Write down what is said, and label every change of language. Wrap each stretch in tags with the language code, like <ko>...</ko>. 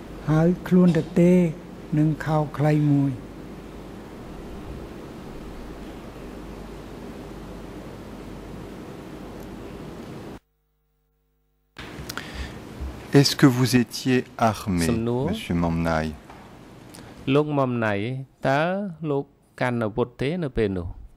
<km>នៅក្នុងរណ្ដៅនោះតាមខ្ញុំឃើញគេដាក់ខ្នោះជើងហើយខ្លួនតេនិងខោខ្លីមួយ</km> <fr>Est-ce que vous étiez armé monsieur Mam Nai</fr> <km>លោក Mam Nai តើ លោក កាន់ អាវុធ ទេ នៅ ពេល នោះ</km>